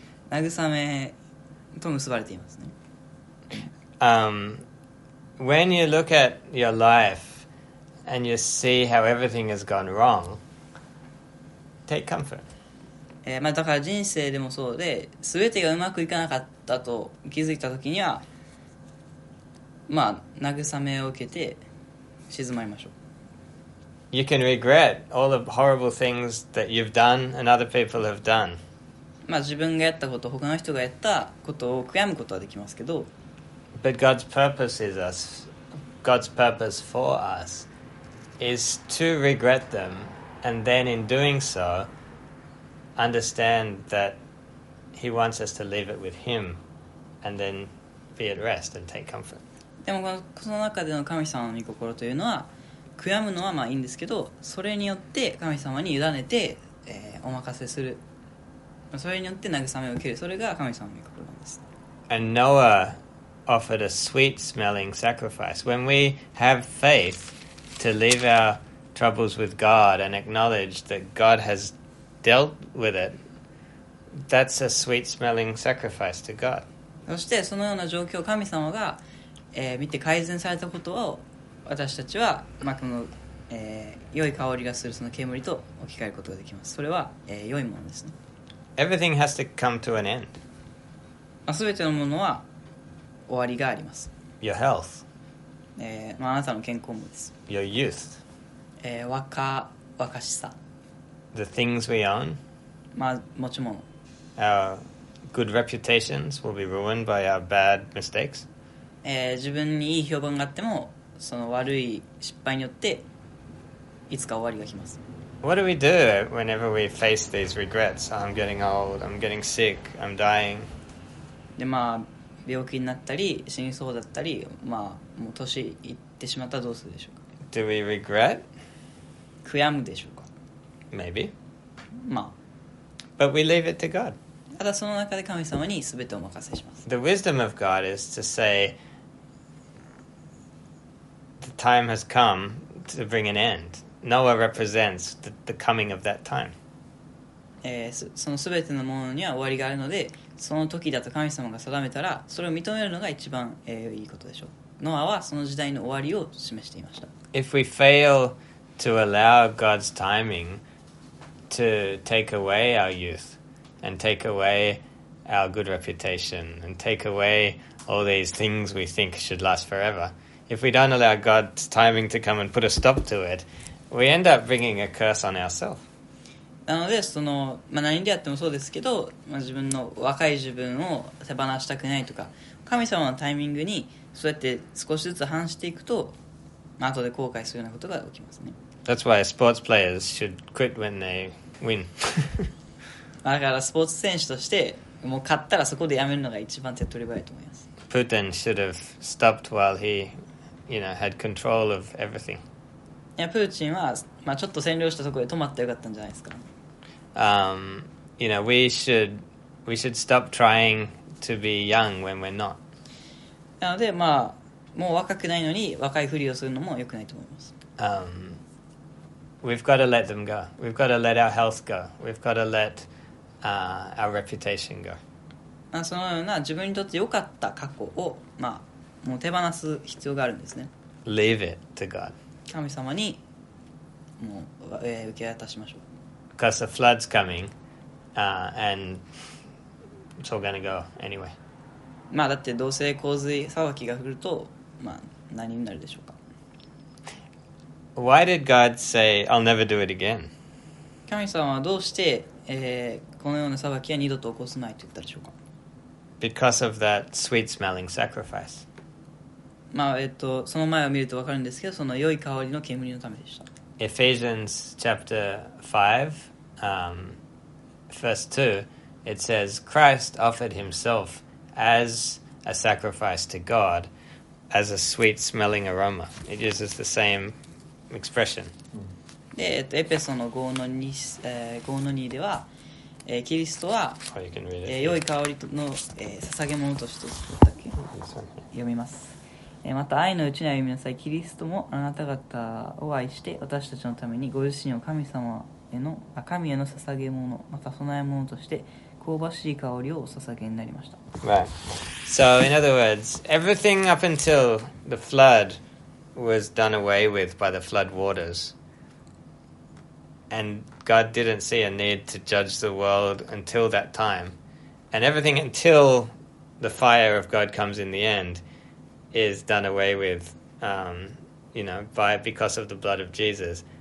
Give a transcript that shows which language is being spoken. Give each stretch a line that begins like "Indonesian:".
Japanese: 慰めと結ばれていますね。
English: When you look at your life and you see how everything has gone wrong, take comfort.
Japanese: まあだから人生でもそうで、すべてがうまくいかなかったと気づいたときには、まあ慰めを受けて静まりましょう。
English: You can regret all the horrible things that you've done and other people have done.
Japanese: まあ、自分がやったこと、他の人がやったことを悔やむことはできますけど。
English: But God's purpose is us. God's purpose for us is to regret them and then in doing so understand that He wants us to leave it with Him and then be at rest and take comfort.
Japanese: でもその中での神様の御心というのは悔やむのはまあいいんですけど、それによって神様に委ねて、お任せする。それによって慰めを受ける。それが神様の御心なんです。
English: And Noah offered a sweet-smelling sacrifice. When we have faith to leave our troubles with God and acknowledge that God has dealt with it, that's a sweet-smelling sacrifice to God.
Japanese: そしてそのような状況を神様が、見て改善されたことを私たちは、まあ、この、良い香りがするその煙と置き換えることができます。それは、良いものですね。
English: Everything has to come to an end.
Japanese: まあ、全てのものは終わりがあります。
English: Your health.
Japanese: まあ、あなたの健康もです。
English: Your youth.
Japanese: 若しさ。
English: The things we own.
Japanese: まあ、持ち物。
English: Our good reputations will be ruined by our bad mistakes.
Japanese: 自分にいい評判があっても、その悪い失敗によって、いつか終わりが来ます。
English: What do we do whenever we face these regrets? I'm getting old, I'm getting sick, I'm dying.
Japanese: で、まあ、病気になったり、死にそうだったり、まあ、もう年いってしまったらどうするでしょうか?
English: Do we regret?
Japanese: 悔やむでしょうか?
English: Maybe.
Japanese: まあ。
English: But we leave it to God.
Japanese: ただその中で神様に全てお任せします。
English: The wisdom of God is to say, the time has come to bring an end. Noah represents the coming of that time.
Japanese: その全てのものには終わりがあるので、その時だと神様が定めたら、それを認めるのが一番、いいことでしょう。ノアはその時代の終わりを示していました。
English: If we fail to allow God's timing to take away our youth and take away our good reputation and take away all these things we think should last forever, If we don't allow God's timing to come and put a stop to it, we end up bringing a curse on ourselves.
Japanese: なのでその、まあ、何でやってもそうですけど、まあ、自分の若い自分を手放したくないとか、神様のタイミングにそうやって少しずつ反していくと、まあ、後で後悔するようなことが起きますね。
English: That's why sports players should quit when they win.
Japanese: だからスポーツ選手としてもう勝ったらそこでやめるのが一番手っ取り早いと思います。
English: Putin should have stopped while he, you know, had control of everything. Yeah, Putin was,
Japanese: まあちょっと占領したところで止まってよかったんじゃないですか。
English: You know, we should stop trying to be young when we're not.
Japanese: なので、まあもう若くないのに若いふりをするのも良くないと思います。
English: We've got to let them go. We've got to let our health go. We've got to let our reputation go.
Japanese: まあ、そのような自分にとって良かった過去を、まあ、もう手放す必要があるんですね。
English: Leave it to God.
Japanese: 神様にもう、受け渡しましょう。
English: Because the flood's coming, and it's all gonna go anyway.
Japanese: まあだってどうせ洪水騒ぎが降ると、まあ、何になるでしょうか。
English: Why did God say, I'll never do it again?
Japanese: 神様はどうして、このような騒ぎは二度と起こさないと言ったでしょうか。
English: Because of that sweet-smelling sacrifice.
Japanese: まあその前を見ると分かるんですけど、その良い香りの煙のためでした。
English: Ephesians chapter 5, verse 2, it says, Christ offered himself as a sacrifice to God, as a sweet-smelling aroma. It uses the same expression.
Japanese: で、エペソの5の2、5の2では、キリストは、良い香りの、捧げ物としてだったっけ読みます、また愛のうちに歩みなさい。キリストもあなた方を愛して私たちのためにご自身を神様への神への捧げ物また備え物として香ばしい香りをお捧げになりました。
English: Right. So in other words, everything up until the flood was done away with by the flood waters. AndGod didn't see a need to judge the world until that time. And everything until the fire of God comes in the end is done away with, you know, by because of the blood of Jesus.